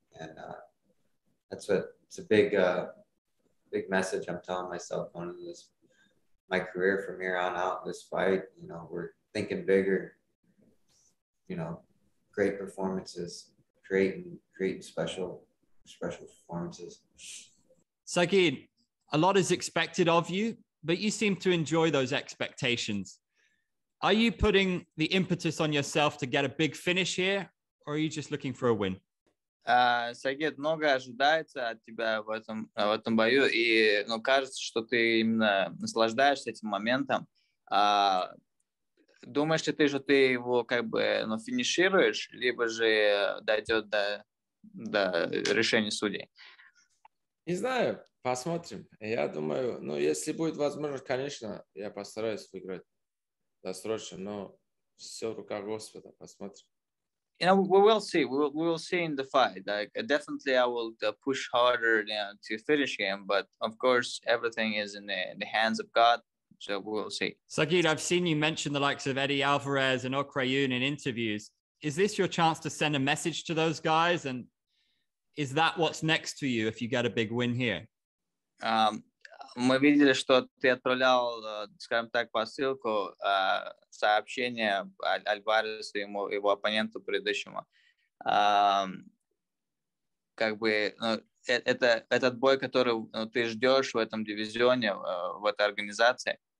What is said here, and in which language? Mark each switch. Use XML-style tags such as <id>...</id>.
<en>And it's a big message I'm telling myself on this, my career from here on out, this fight, you know, we're thinking bigger, you know, great performances, creating special performances. Saygid, a lot is expected of you, but you seem to enjoy those expectations. Are you putting the impetus on yourself to get a big finish here, or are you just looking for a win?</en> <ru>Saygid, много ожидается от тебя в этом бою, и кажется, что ты именно наслаждаешься этим моментом. Думаешь ли ты, что ты его как бы финишируешь, либо же дойдет до решения судей? Не знаю, посмотрим. Я думаю, ну, если будет возможность, конечно, я постараюсь выиграть досрочно, но все в руках Господа, посмотрим.</ru> <en>You know, we will see. We will see in the fight. Like, definitely I will push harder, you know, to finish him, but of course, everything is in the hands of God, so we'll see. Saygid, I've seen you mention the likes of Eddie Alvarez and Okrayun in interviews. Is this your chance to send a message to those guys? And is that what's next to you if you get a big win here?</en> <ru>Мы видели, что ты отправлял, скажем так, посылку, сообщение Альваресу и его оппоненту предыдущему. Как бы, ну, этот бой, который, ну, ты ждешь в этом дивизионе, в этой организации?</ru>